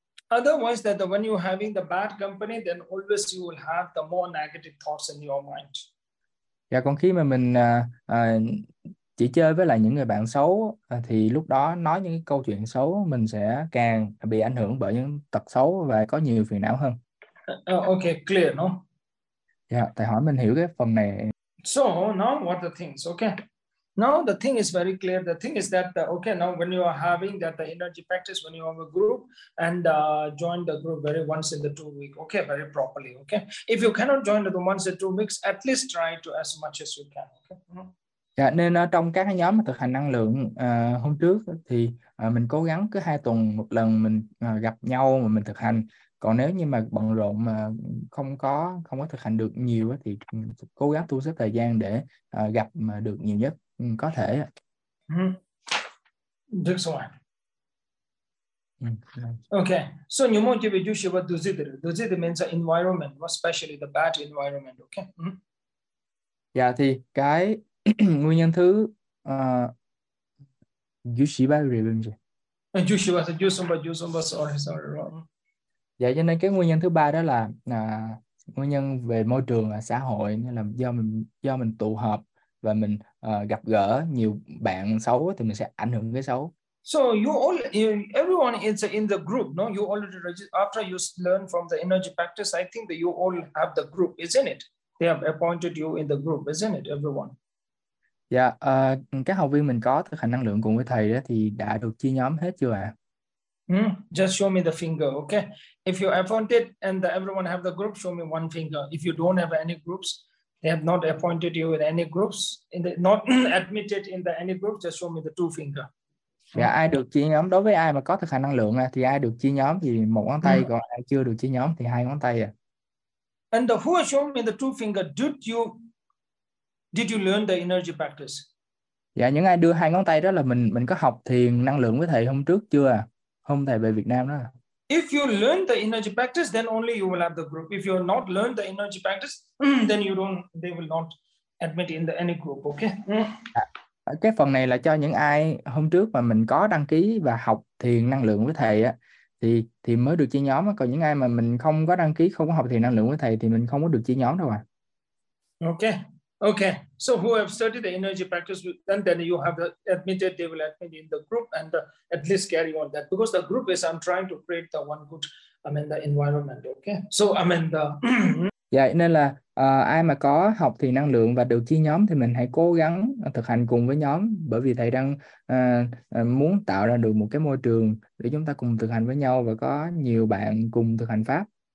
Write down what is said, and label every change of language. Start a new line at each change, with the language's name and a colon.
English: Otherwise, that the when you're having the bad company, then always you will have the more negative thoughts in your mind.
Vietnamese: Dạ, còn khi mà mình chỉ chơi với lại những người bạn xấu thì lúc đó nói những cái câu chuyện xấu mình sẽ càng bị ảnh hưởng bởi những tật xấu và có nhiều phiền não hơn.
English: Okay, clear, no?
Vietnamese: Dạ, thầy hỏi mình hiểu cái phần này.
English: So now what the things? Okay, now the thing is very clear. The thing is that okay, now when you are having that the energy practice, when you have a group and join the group very once in the 2 week, okay, very properly. Okay, if you cannot join the once in 2 weeks, at least try to as much as you can. Okay.
Vietnamese: Dạ, nên ở trong các nhóm thực hành năng lượng hôm trước thì mình cố gắng cứ 2 tuần một lần mình gặp nhau mà mình thực hành. Còn nếu như mà bận rộn mà không có thực hành được nhiều thì cố gắng thu xếp thời gian để gặp mà được nhiều nhất có thể. Được rồi.
English: Okay. Okay, so you want to be you should do it. Do it means the environment, especially the bad environment. Okay.
Vietnamese: Dạ, thì cái nguyên nhân thứ Yushiba.
English: Sorry.
Vietnamese: Dạ, cho nên cái nguyên nhân thứ ba đó là nguyên nhân về môi trường và xã hội, nên là do mình tụ họp và mình gặp gỡ nhiều bạn xấu thì mình sẽ ảnh hưởng cái xấu.
English: So everyone is in the group, no? You already register after you learn from the energy practice. I think that you all have the group, isn't it? They have appointed you in the group, isn't it, everyone?
Vietnamese: Dạ, các học viên mình có thực hành năng lượng cùng với thầy đó thì đã được chia nhóm hết chưa ạ?
English: Just show me the finger, okay? If you appointed and everyone have the group, show me one finger. If you don't have any groups, they have not appointed you in any groups, in the, not admitted in the any group, just show me the two finger.
Vietnamese: Dạ, ai được chia nhóm, đối với ai mà có thực hành năng lượng thì ai được chia nhóm thì một ngón tay, còn ai chưa được chia nhóm thì 2 ngón tay ạ.
English: And the who showed me the two finger? Did you learn the energy practice?
Vietnamese: Dạ, những ai đưa 2 ngón tay đó là mình có học thiền năng lượng với thầy hôm trước chưa à? Hôm thầy về Việt Nam đó.
English: If you learn the energy practice, then only you will have the group. If you have not learned the energy practice, then you don't, they will not admit in the any group, okay?
Vietnamese: Cái phần này là cho những ai hôm trước mà mình có đăng ký và học thiền năng lượng với thầy á, thì mới được chia nhóm á. Còn những ai mà mình không có đăng ký, không có học thiền năng lượng với thầy thì mình không có được chia nhóm đâu ạ.
English: Okay. Okay. So who have studied the energy practice, then you have the admitted, they will admit in the group and at least carry on that. Because the group is, I'm trying to create the one good, I mean, the environment. Okay. So, I mean, the...
Vietnamese: Dạ, nên là ai mà có học thiền năng lượng và được chia nhóm thì mình hãy cố gắng thực hành cùng với nhóm, bởi vì thầy đang muốn tạo ra được một cái môi trường để chúng ta cùng thực hành với nhau và có nhiều bạn cùng thực hành pháp.